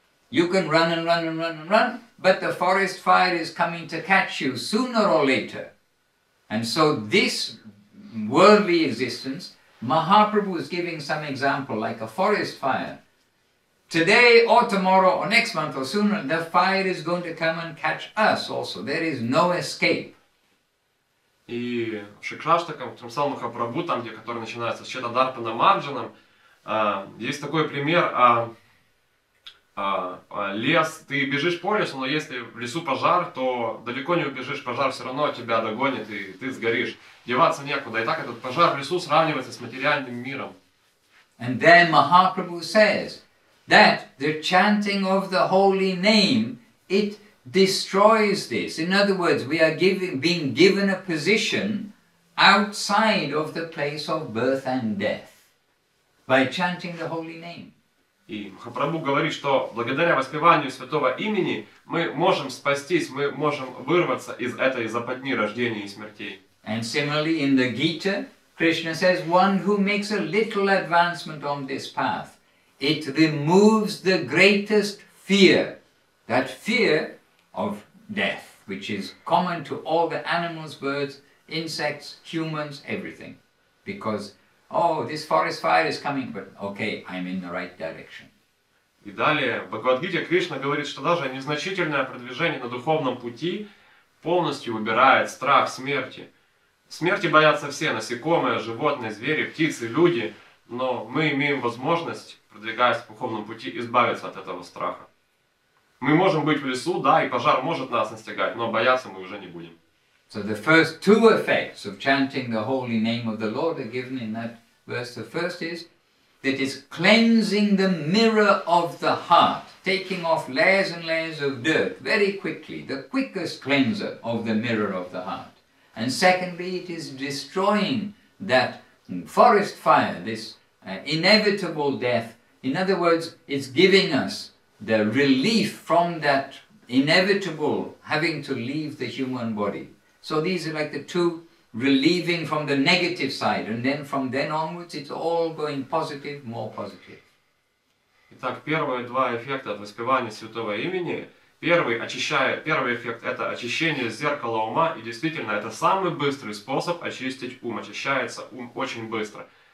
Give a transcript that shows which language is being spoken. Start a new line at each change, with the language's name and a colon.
English: You can run and run and run and run, but the forest fire is coming to catch you sooner or later. And so this worldly existence, Mahaprabhu is giving some example like a forest fire. Today or tomorrow or next month or sooner, the fire is going to come and catch us also. There is no escape.
Russian: И в Шикшаштакам, в Трамсал Махапрабху, там, где, который начинается с Четадарпана Марджаном, есть такой пример, лес, ты бежишь по лесу, но если в лесу пожар, то далеко не убежишь, пожар все равно тебя догонит и ты сгоришь. Деваться некуда. И так этот пожар в лесу сравнивается с материальным миром.
English: And then Mahaprabhu says, that the chanting of the holy name, it destroys this. In other words, we are being given a position outside of the place of birth and death by chanting the holy name.
Russian: И Махапрабху говорит, что благодаря воспеванию святого имени мы можем спастись, мы можем вырваться из этой западни рождения и смертей.
English: And similarly in the Gita, Krishna says, one who makes a little advancement on this path, it removes the greatest fear, that fear of death, which is common to all the animals, birds, insects, humans, everything. Because, oh, this forest fire is coming, but okay, I'm in the right direction.
Russian: И далее, в Бхагавад-гите Кришна говорит, что даже незначительное продвижение на духовном пути полностью убирает страх смерти. Смерти боятся все, насекомые, животные, звери, птицы, люди, но мы имеем возможность, продвигаясь по духовному пути, избавиться от этого страха. Мы можем быть в лесу, да, и пожар может нас настигать, но бояться мы уже не будем.
English: So the first two effects of chanting the holy name of the Lord are given in that verse. The first is that it's cleansing the mirror of the heart, taking off layers and layers of dirt very quickly, the quickest cleanser of the mirror of the heart. And secondly, it is destroying that forest fire, this inevitable death. In other words, it's giving us the relief from that inevitable having to leave the human body. So these are like the two relieving from the negative side, and then from then onwards it's all going positive, more positive.
Russian: Итак, первые два эффекта от воспевания святого имени. Первый эффект – это очищение зеркала ума, и действительно, это самый быстрый способ очистить ум, очищается ум очень быстро.